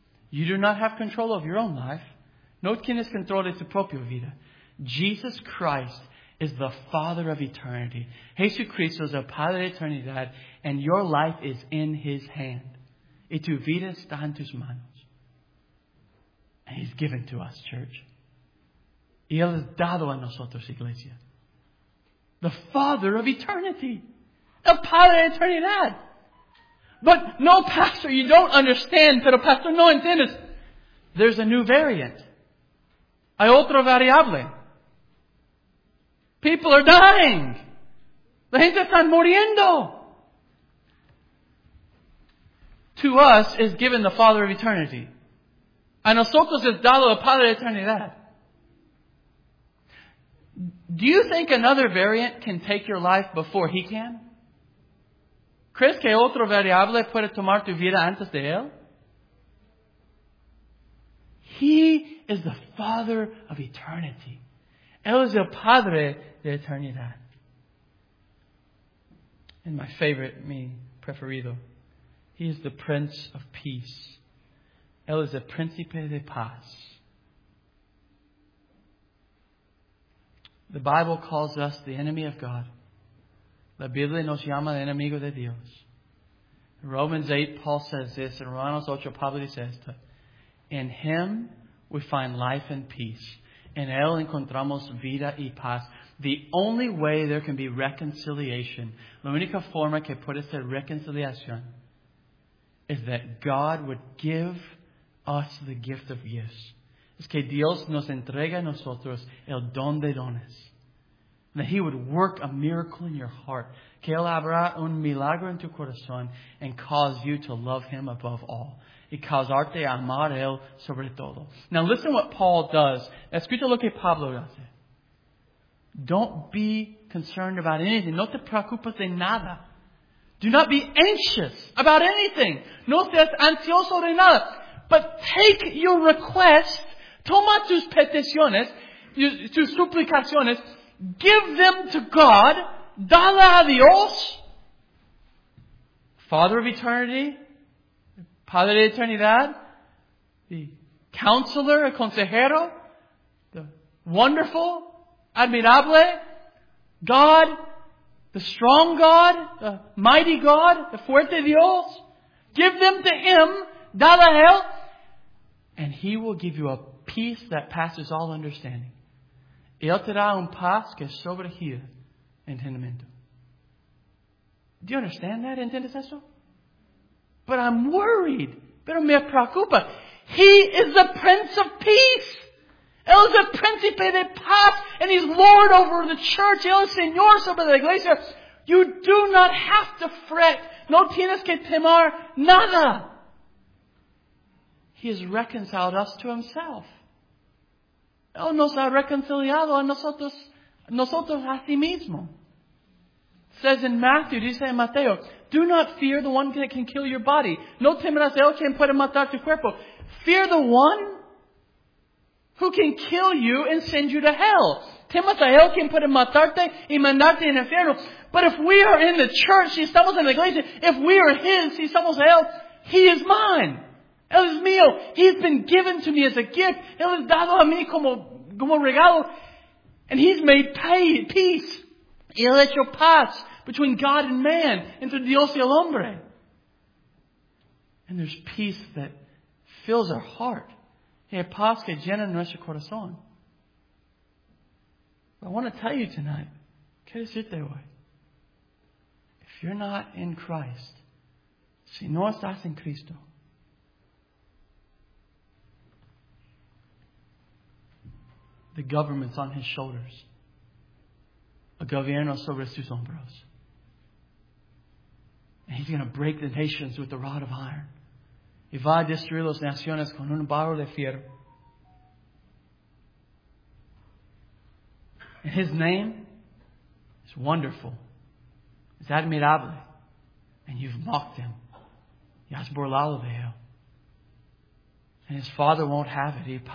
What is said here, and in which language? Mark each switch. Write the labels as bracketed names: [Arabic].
[English] You do not have control of your own life. [Spanish] No tienes control de tu propia vida. [English] Jesus Christ is the Father of Eternity. [Spanish] Jesucristo es el Padre de Eternidad. [English] And your life is in His hand. [Spanish] Y tu vida está en tus manos. [English] And He's given to us, church. [Spanish] Y Él es dado a nosotros, iglesia. [English] The Father of Eternity. [Spanish] El Padre de Eternidad. [English] But no, pastor, you don't understand. [Spanish] Pero pastor, no entiendes. [English] There's a new variant. [Spanish] Hay otra variable. [English] People are dying. [Spanish] La gente está muriendo. [English] To us is given the Father of eternity. [Spanish] A nosotros es dado el Padre de eternidad. [English] Do you think another variant can take your life before he can? [Spanish] ¿Crees que otro variable puede tomar tu vida antes de él? [English] He is the Father of eternity. [Spanish] Él es el Padre de eternidad. [English] And my favorite, [Spanish] mi preferido, [English] he is the Prince of Peace. [Spanish] Él es el Príncipe de Paz. [English] The Bible calls us the enemy of God. [Spanish] La Biblia nos llama el enemigo de Dios. [English] In Romans 8, Paul says this. In [Spanish] Romanos 8, Pablo dice esto. [English] In Him we find life and peace. [Spanish] En Él encontramos vida y paz. [English] The only way there can be reconciliation, [Spanish] la única forma que puede ser reconciliación, [English] is that God would give us the gift of yes. [Spanish] Es que Dios nos entrega a nosotros el don de dones. [English] That He would work a miracle in your heart. [Spanish] Que Él abra un milagro en tu corazón [English] and cause you to love Him above all. [Spanish] Y causarte a amar Él sobre todo. [English] Now listen what Paul does. [Spanish] Escucha lo que Pablo hace. [English] Don't be concerned about anything. [Spanish] No te preocupes de nada. [English] Do not be anxious about anything. [Spanish] No seas ansioso de nada. [English] But take your request. [Spanish] Toma tus peticiones, tus suplicaciones. [English] Give them to God. [Spanish] Dale a Dios. [English] Father of eternity. [Spanish] Padre de eternidad. [English] The counselor, [Spanish] el consejero. [English] The wonderful, admirable. God, the strong God, the mighty God, the fuerte Dios. Give them to Him. [Spanish] Dale a Él. [English] And He will give you a peace that passes all understanding. [Spanish] Él te da un paz que sobregira entendimiento. [English] Do you understand that? [Spanish] ¿Entiendes eso? [English] But I'm worried. [Spanish] Pero me preocupa. [English] He is the Prince of Peace. [Spanish] Él es el Príncipe de Paz. [English] And He's Lord over the church. [Spanish] Él es Señor sobre la iglesia. [English] You do not have to fret. [Spanish] No tienes que temer nada. [English] He has reconciled us to Himself. [Spanish] Él nos ha reconciliado a nosotros a sí mismo. [English] Says in Matthew, [Spanish] dice en Mateo, [English] do not fear the one that can kill your body. [Spanish] No temerás el que puede matar tu cuerpo. [English] Fear the one who can kill you and send you to hell. [Spanish] Temas a él quien puede matarte y mandarte en infierno. [English] But if we are in the church, [Spanish] si estamos en la iglesia, [English] if we are His, [Spanish] si estamos a él, [English] He is mine. [Spanish] Él es mío. [English] He's been given to me as a gift. [Spanish] Él es dado a mí como regalo. [English] And He's made peace. [Spanish] Y Él ha hecho paz [English] between God and man, [Spanish] entre Dios y el hombre. [English] And there's peace that fills our heart. [Spanish] Hay paz que llena nuestro corazón. [English] I want to tell you tonight, [Spanish] ¿qué decirte hoy? [English] If you're not in Christ, [Spanish] si no estás en Cristo, [English] the government's on His shoulders. [Spanish] El gobierno sobre sus hombros. [English] And He's going to break the nations with the rod of iron. [Spanish] Y va a destruir las naciones con un barro de fierro. [English] And His name is wonderful. It's admirable. And you've mocked Him. [Spanish] Y has burlado de él. [English] And His Father won't have it.